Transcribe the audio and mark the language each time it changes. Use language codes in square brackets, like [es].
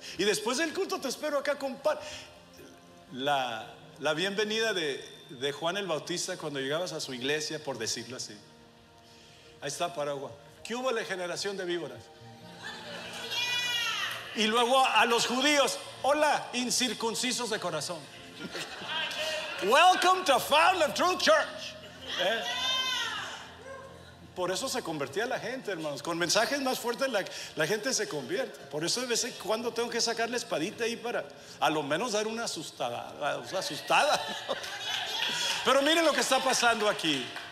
[es] Y después del culto te espero acá con pan. La bienvenida de Juan el Bautista cuando llegabas a su iglesia, por decirlo así. Ahí está Paraguay. ¿Qué hubo la generación de víboras? Y luego a los judíos: hola, incircuncisos de corazón. [en] Welcome to Fountain of Truth Church. [es] Por eso se convertía la gente, hermanos. Con mensajes más fuertes la gente se convierte. Por eso de vez en cuando tengo que sacar la espadita ahí para a lo menos dar una asustada, ¿no? Pero miren lo que está pasando aquí.